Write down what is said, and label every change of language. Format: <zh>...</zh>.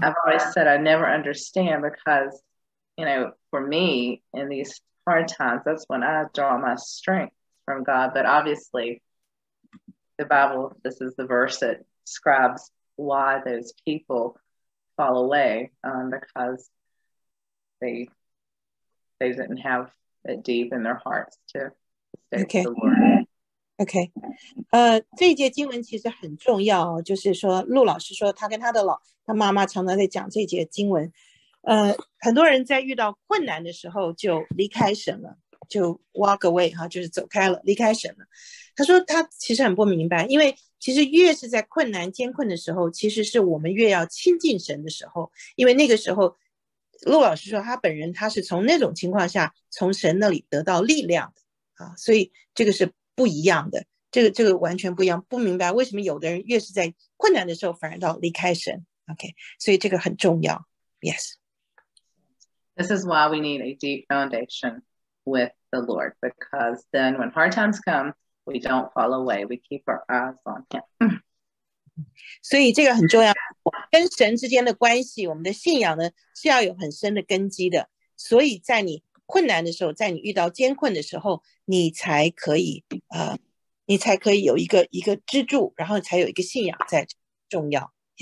<en>I've always said I never understand because, you know, for me in these hard times, that's when I draw my strength from God, but obviously, the Bible, this is the verse that describes why those people fall away because they didn't have it deep in their hearts to stay okay. to the Lord. Okay.</en> <zh>这一节经文其实很重要, 就是说陆老师说, 他跟他的老, 他妈妈常常在讲这节经文, 很多人在遇到困难的时候, 就离开神了, 就 walk away, 哈, 就是走开了, 离开神了。他说他其实很不明白, 因为其实越是在困难艰困的时候, 其实是我们越要亲近神的时候, 因为那个时候, 陆老师说他本人, 他是从那种情况下, 从神那里得到力量的, 啊, 所以这个是不一样的, 这个完全不一样, 不明白为什么有的人越是在困难的时候, 反而到离开神, okay, 所以这个很重要, yes.</zh> <en>This is why we need a deep foundation with the Lord, because then when hard times come, we don't fall away. We keep our eyes on him.</en> <zh>所以这个很重要，跟神之间的关系，我们的信仰呢是要有很深的根基的，所以在你困难的时候，在你遇到艰困的时候，你才可以你才可以有一个支柱，然后才有一个信仰在，重要。</zh>